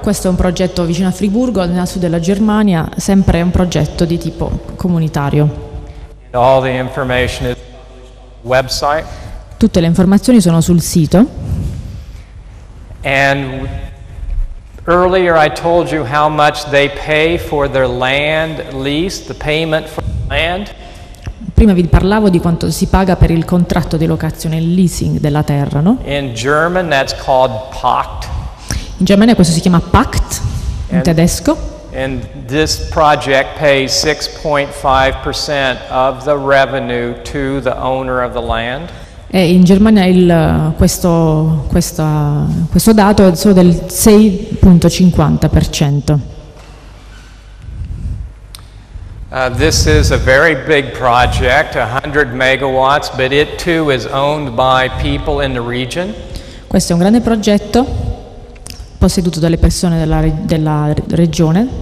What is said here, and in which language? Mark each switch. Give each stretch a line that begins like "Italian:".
Italian: Questo è un progetto vicino a Friburgo, nel sud della Germania, sempre un progetto di tipo comunitario.
English: All the information is on the website.
Italian: Tutte le informazioni sono sul sito.
English: And earlier I told you how much they pay for their land lease, the payment for land.
Italian: Prima vi parlavo di quanto si paga per il contratto di locazione, il leasing della terra, no?
English: In German that's called Pacht.
Italian: In Germania questo si chiama Pacht, in tedesco.
English: And this project pays 6.5% of the revenue to the owner of the land.
Italian: E in Germania questo dato è solo del 6.50%.
English: This is a very big project, 100 megawatts, but it too is owned by people in the region.
Italian: Questo è un grande progetto posseduto dalle persone della regione.